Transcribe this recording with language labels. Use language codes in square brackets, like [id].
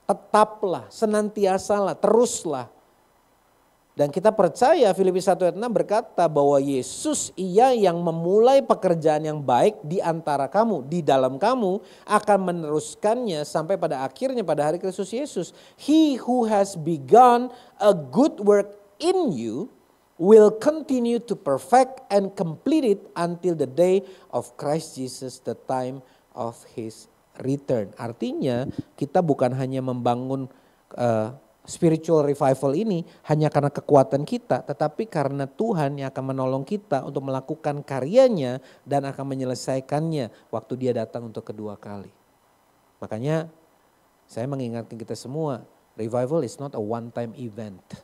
[id] Tetaplah, senantiasalah, teruslah. Dan kita percaya Filipi 1 ayat 6 berkata bahwa Yesus ia yang memulai pekerjaan yang baik di antara kamu, di dalam kamu, akan meneruskannya sampai pada akhirnya pada hari Kristus Yesus. [en] He who has begun a good work in you will continue to perfect and complete it until the day of Christ Jesus, the time of his return. [id] Artinya kita bukan hanya membangun spiritual revival ini hanya karena kekuatan kita, tetapi karena Tuhan yang akan menolong kita untuk melakukan karyanya dan akan menyelesaikannya waktu dia datang untuk kedua kali. Makanya saya mengingatkan kita semua, revival is not a one time event.